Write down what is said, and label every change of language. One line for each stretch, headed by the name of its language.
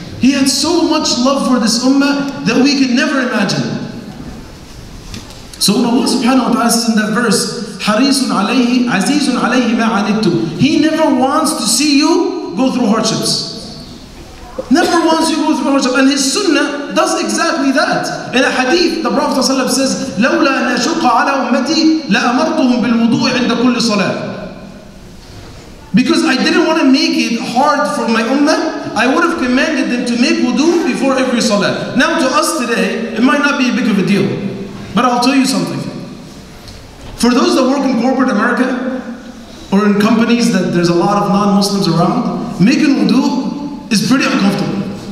English: He had so much love for this ummah that we can never imagine. So when Allah subhanahu wa ta'ala says in that verse,
Arabic: حَرِيصٌ عَلَيْهِ عَزِيزٌ عَلَيْهِ مَا عَنِدْتُمْ.
English: He never wants to see you go through hardships. Never wants you to go through hardship. And his sunnah does exactly that. In a hadith, the Prophet ﷺ says,
Arabic: لَوْلَا أَنَا شُقَّ عَلَى أُمَّتِي لَأَمَرْتُهُمْ بِالْوُضُوءِ عِنْدَ كُلِّ صَلَاةِ.
English: Because I didn't want to make it hard for my ummah, I would have commanded them to make wudu before every salah. Now to us today, it might not be a big of a deal. But I'll tell you something. For those that work in corporate America, or in companies that there's a lot of non-Muslims around, making wudu is pretty uncomfortable.